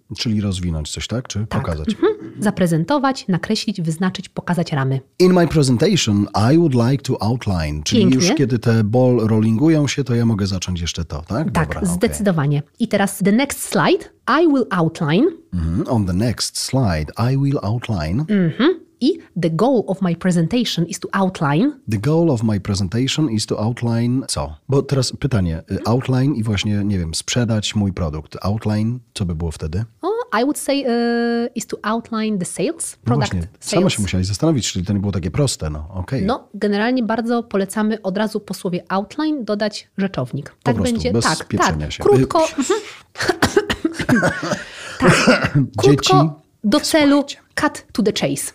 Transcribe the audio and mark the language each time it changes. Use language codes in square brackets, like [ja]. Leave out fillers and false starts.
[pl] Czyli rozwinąć coś, tak? Czy tak. Pokazać? Mm-hmm. Zaprezentować, nakreślić, wyznaczyć, pokazać ramy. [en] In my presentation, I would like to outline. [pl] Czyli pięknie. Już kiedy te ball rollingują się, to ja mogę zacząć jeszcze to, tak? Tak, dobra, zdecydowanie. [en] Okay. [pl] I teraz [en] the next slide, I will outline. Mm-hmm. On the next slide, I will outline. Mm-hmm. I the goal of my presentation is to outline. The goal of my presentation is to outline co? [pl] Bo teraz pytanie, outline i właśnie, nie wiem, sprzedać mój produkt. Outline, co by było wtedy? [en] I would say is to outline the sales, product. [pl] No właśnie, [en] sales. [pl] Sama się musiałaś zastanowić, czyli to nie było takie proste, no okej. Okay. No, generalnie bardzo polecamy od razu po słowie outline dodać rzeczownik. Po tak prostu, będzie, bez tak, pieprzenia tak, się. Krótko. Dzieci. Do celu, [en] cut to the chase.